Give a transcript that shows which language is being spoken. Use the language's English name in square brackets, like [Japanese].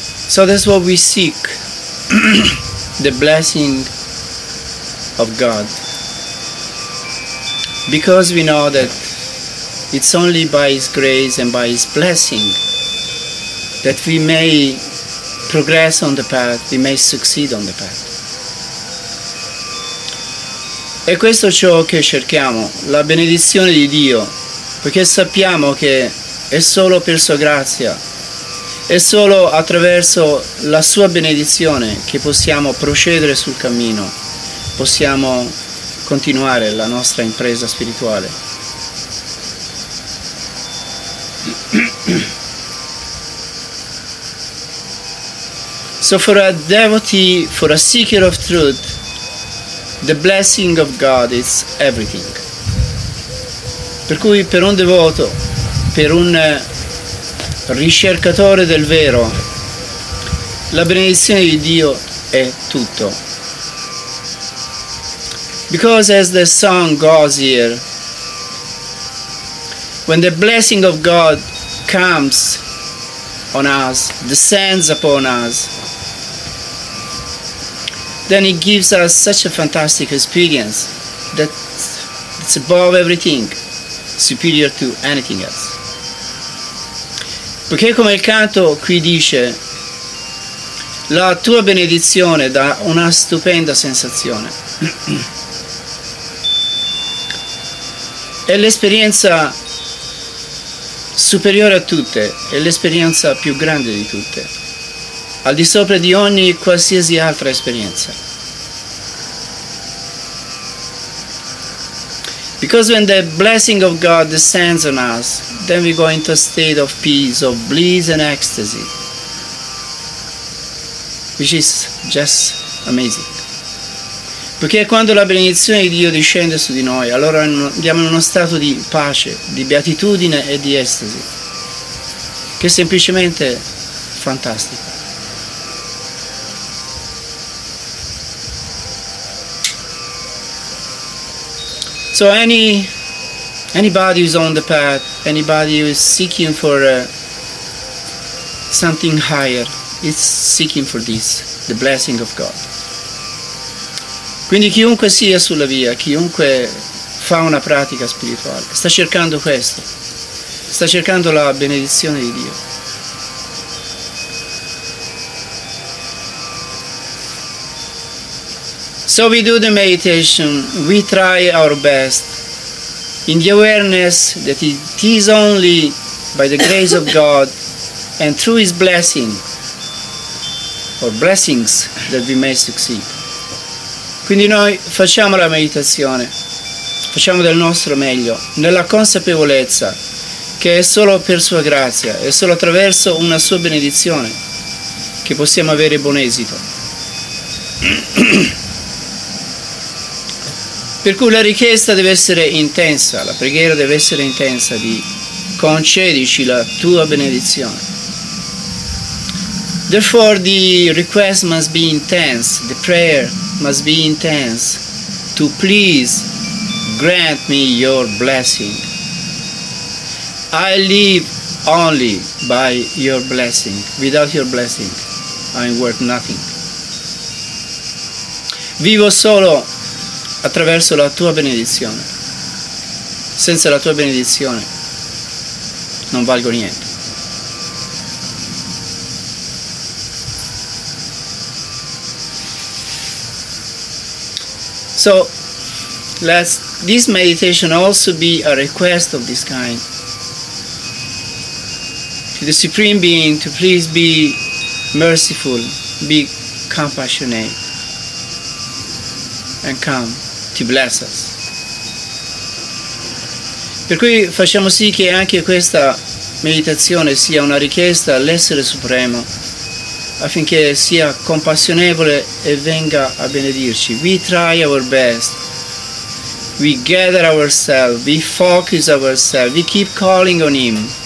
[English] So that's what we seek, the blessing of God, because we know that it's only by His grace and by His blessing that we may progress on the path, we may succeed on the path. [Italian] E questo è ciò che cerchiamo, la benedizione di Dio, perché sappiamo che è solo per sua grazia, è solo attraverso la sua benedizione che possiamo procedere sul cammino, possiamo continuare la nostra impresa spirituale. [English] So for a devotee, for a seeker of truth, the blessing of God is everything. [Italian] Per cui per un devoto, per un ricercatore del vero, la benedizione di Dio è tutto. [English] Because as the song goes here, when the blessing of God comes on us, descends upon us, then it gives us such a fantastic experience that it's above everything, superior to anything else. [Italian] Perché come il canto qui dice, la tua benedizione dà una stupenda sensazione. È l'esperienza superiore a tutte, è l'esperienza più grande di tutte, al di sopra di ogni qualsiasi altra esperienza. [English] Because when the blessing of God descends on us, then we go into a state of peace, of bliss and ecstasy, which is just amazing. [Italian] Perché quando la benedizione di Dio discende su di noi, allora andiamo in uno stato di pace, di beatitudine e di estasi, che è semplicemente fantastico. [English] So anybody who is on the path, anybody who is seeking for something higher, is seeking for this, the blessing of God. [Italian] Quindi chiunque sia sulla via, chiunque fa una pratica spirituale, sta cercando questo, sta cercando la benedizione di Dio. [English] So we do the meditation, we try our best, in the awareness that it is only by the grace of God and through His blessing or blessings that we may succeed. [Italian] Quindi noi facciamo la meditazione, facciamo del nostro meglio, nella consapevolezza che è solo per sua grazia, è solo attraverso una sua benedizione che possiamo avere buon esito. Per cui la richiesta deve essere intensa, la preghiera deve essere intensa di concedici la tua benedizione. [English] Therefore the request must be intense, the prayer must be intense, to please grant me your blessing. I live only by your blessing. Without your blessing, I am worth nothing. [Italian] Vivo solo attraverso la tua benedizione. Senza la tua benedizione non valgo niente. [English] So let this meditation also be a request of this kind to the Supreme Being, to please be merciful, be compassionate, and come to bless us. [Italian] Per cui facciamo sì che anche questa meditazione sia una richiesta all'Essere Supremo affinché sia compassionevole e venga a benedirci. [English] We try our best. We gather ourselves, we focus ourselves, we keep calling on Him.